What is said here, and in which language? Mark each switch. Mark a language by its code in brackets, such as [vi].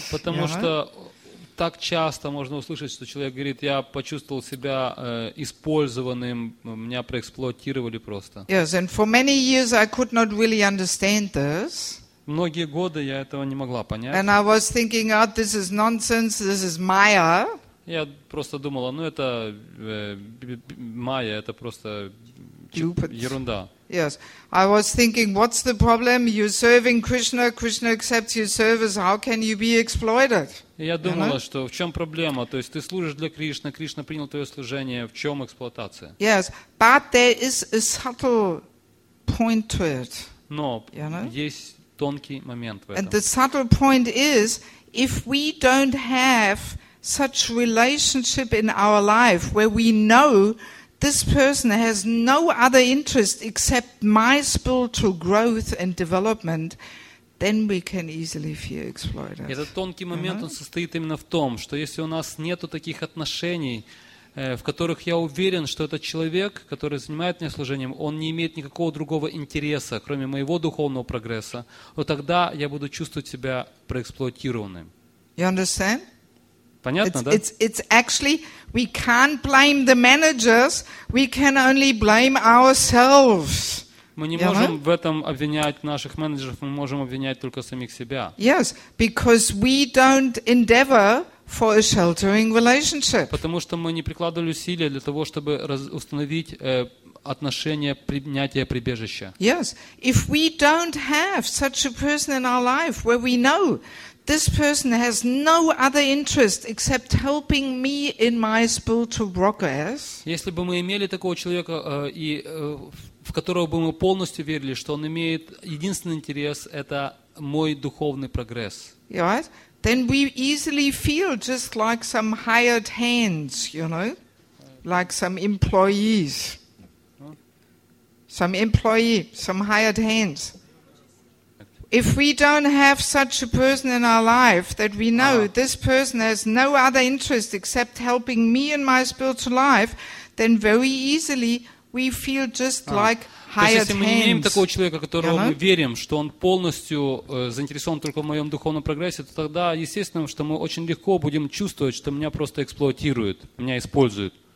[ru] Потому что так часто можно услышать, что человек говорит, я почувствовал себя использованным, меня проэксплуатировали просто. [en] Yes, and for many years I could not really understand this. [ru] Многие годы я этого не могла понять. [en] And I was thinking, oh, this is nonsense, this is Maya. [ru] Я просто думала, ну это Maya, это просто ерунда. [en] Yes, I was thinking, what's the problem? You're serving Krishna, Krishna accepts your service, how can you be exploited? [ru] Я думала, что в чем проблема? То есть ты служишь для Кришны, Кришна принял твое служение, в чем эксплуатация? [en] Yes, but there is a subtle point to it. [ru] Но есть тонкий момент в этом. [en] And the subtle point is, if we don't have such relationship in our life where we know this person has no other interest except my spiritual growth and development, then we can easily feel exploited. [ru] Этот тонкий момент, он состоит именно в том, что если у нас нету таких отношений, в которых я уверен, что этот человек, который занимает меня служением, он не имеет никакого другого интереса, кроме моего духовного прогресса, то тогда я буду чувствовать себя проэксплуатированным. [en] You understand? [ru] Понятно, [en] it's, [ru] да? [en] It's actually, we can't blame the managers, we can only blame ourselves. [ru] Мы не можем в этом обвинять наших менеджеров, мы можем обвинять только самих себя. [en] Yes, because we don't endeavor for a sheltering relationship. [ru] Потому что мы не прикладывали усилия для того, чтобы установить отношение принятия прибежища. [en] Yes, if we don't have such a person in our life where we know this person has no other interest except helping me in my spiritual progress. [ru] Если бы мы имели такого человека и в которого бы мы полностью верили, что он имеет единственный интерес – это мой духовный прогресс. [en] Right? Then we easily feel just like some hired hands, you know, like some employees, some hired hands. If we don't have such a person in our life that we know this person has no other interest except helping me in my spiritual life, then very easily we feel just like hired hands. [ru] То есть, если мы не имеем такого человека, которого мы верим, что он полностью заинтересован только в моем духовном прогрессе, то тогда, естественно, что мы очень легко будем чувствовать, что меня просто эксплуатируют, меня используют.